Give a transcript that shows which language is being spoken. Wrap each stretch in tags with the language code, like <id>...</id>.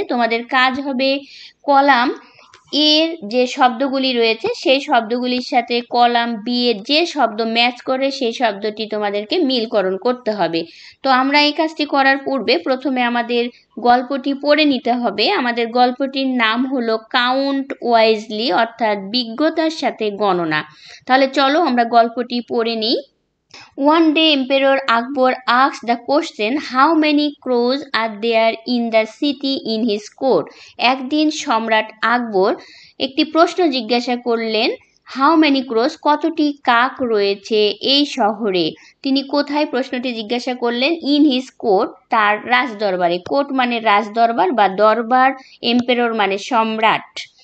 <bn>তোমাদের কাজ হবে কলাম এর যে শব্দগুলি রয়েছে সেই শব্দগুলির সাথে কলাম বি এর যে শব্দ ম্যাচ করে সেই শব্দটি তোমাদেরকে মিলকরণ করতে হবে। তো আমরা এই কাজটি করার পূর্বে প্রথমে আমাদের গল্পটি পড়ে নিতে হবে। আমাদের গল্পটির নাম হলো কাউন্ট ওয়াইজলি অর্থাৎ বিজ্ঞতার সাথে গণনা। তাহলে চলো আমরা গল্পটি পড়ে নিই।</bn> <en>One day Emperor Akbar asked the question, how many crows are there in the city in his court?</en> <bn>একদিন সম্রাট আকবর একটি প্রশ্ন জিজ্ঞাসা করলেন,</bn> <en>how many crows,</en> <bn>কতটি কাক রয়েছে এই শহরে। তিনি কোথায় প্রশ্নটি জিজ্ঞাসা করলেন,</bn> <en>in his court,</en> <bn>তার রাজদরবারে। কোর্ট মানে রাজদরবার বা দরবার, এম্পেরর মানে সম্রাট।</bn>